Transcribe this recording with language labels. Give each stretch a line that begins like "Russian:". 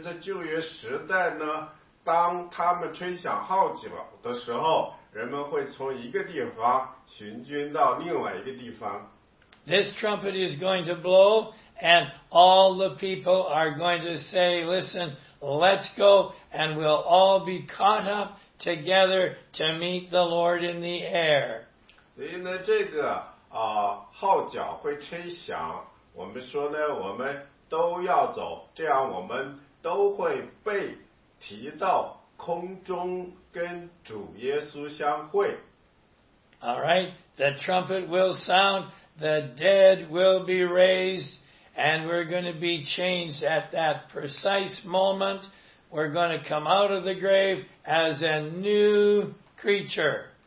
Chinese: 所以呢，在有趣的是，在旧约时代呢， 当他们吹响号角的时候，人们会从一个地方行军到另外一个地方。
English: This trumpet is going to blow, and all the people are going to say, listen, let's go, and we'll all be caught up together to meet the Lord in the air.
Chinese: 所以呢，这个号角会吹响，我们说呢，我们都要走，这样我们都会被
English: All right, the trumpet will sound, the dead will be raised, and we're going to be changed at that precise moment. We're going to come out of the grave as a new creature.